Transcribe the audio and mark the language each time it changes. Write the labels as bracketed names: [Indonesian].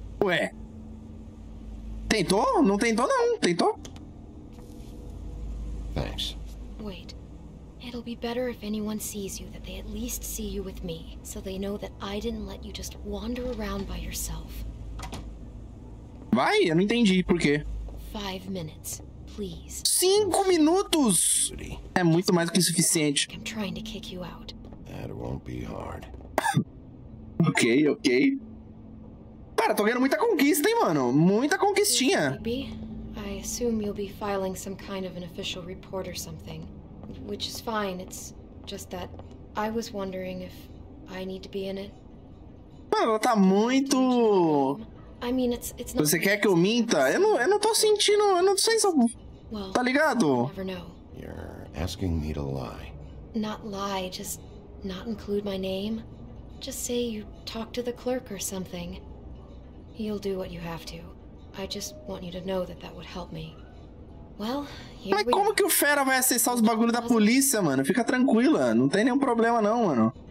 [Portuguese] Ué? Tentou? Não tentou, não. Tentou? [English] Thanks. Wait. It'll be better if anyone sees you, that they at least see you with me, so they know that I didn't let you just wander around by yourself. [Portuguese] Vai, eu não entendi por quê. [English] 5 minutes, please. [Portuguese] 5 minutos? É muito mais do que o suficiente. [English] I'm trying to kick you out. That won't be hard. Ok, ok. [Portuguese] Cara, tô ganhando muita conquista, hein, mano? Muita conquistinha. [English] I assume you'll be filing some kind of an official report or something. Which is fine, it's just that I was wondering if I need to be in it. [Portuguese] Mano, ela tá muito... Você quer que eu minta? Eu não tô sentindo, eu não sei se eu... Tá ligado? [English] You're asking me to lie. Not lie, just not include my name. Just say you talk to the clerk or something. You'll do what you have to. I just want you to know that that would help me. Well, here we... [Portuguese] Mas como que o fera vai acessar os bagulhos da polícia, mano? Fica tranquila, não tem nenhum problema não, mano.